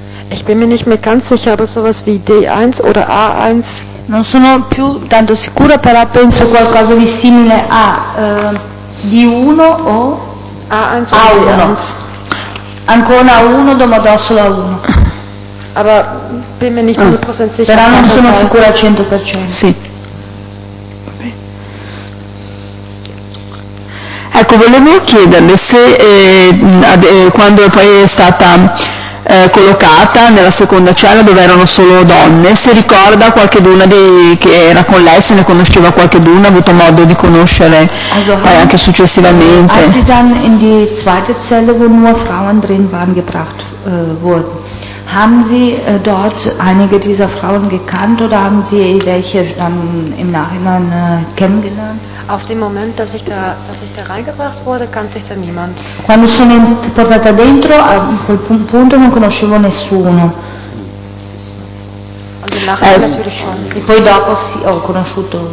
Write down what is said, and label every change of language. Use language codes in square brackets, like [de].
[de] Ich bin mir nicht mehr ganz sicher, aber sowas wie D1 oder A1. [it] Non sono più tanto sicura, però penso qualcosa di simile a D1 o A1. Ancora uno, domandò solo a uno. [de] Aber bin mir nicht 100% sicher. [it] Però non sono sicura al 100%. Sì. Ecco, volevo chiederle se quando poi è stata collocata nella seconda cella dove erano solo donne, se ricorda qualcheduna che era con lei, se ne conosceva qualcheduna, ha avuto modo di conoscere poi anche successivamente. [de] Als sie dann in die zweite Zelle, wo nur Frauen drin waren, gebracht wurden, haben sie dort einige dieser Frauen gekannt oder haben sie welche dann im Nachhinein kennengelernt? Auf dem Moment, dass ich da reingebracht wurde, kannte ich da niemand. [it] Quando sono portata dentro, a quel punto non conoscevo nessuno. E poi dopo sì, ho conosciuto.